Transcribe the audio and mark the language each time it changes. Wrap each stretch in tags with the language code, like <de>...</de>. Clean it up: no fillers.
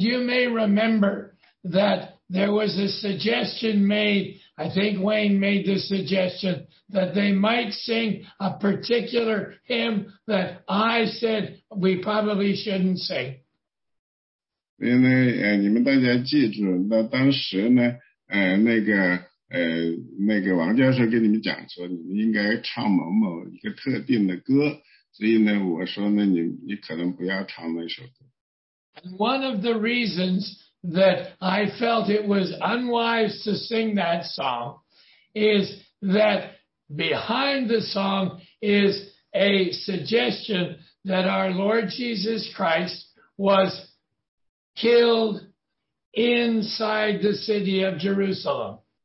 <en>you may remember that there was a suggestion made, I think Wayne made the suggestion, that they might sing a particular hymn that I said we probably shouldn't sing.</en> <zh>所以呢，你们大家记住，那当时呢，那个。那个王教授跟你们讲说，你们应该唱某某一个特定的歌，所以呢，我说呢，你可能不要唱那首歌。</zh> <en>And one of the reasons that I felt it was unwise to sing that song is that behind the song is a suggestion that our Lord Jesus Christ was killed inside the city of Jerusalem.</en>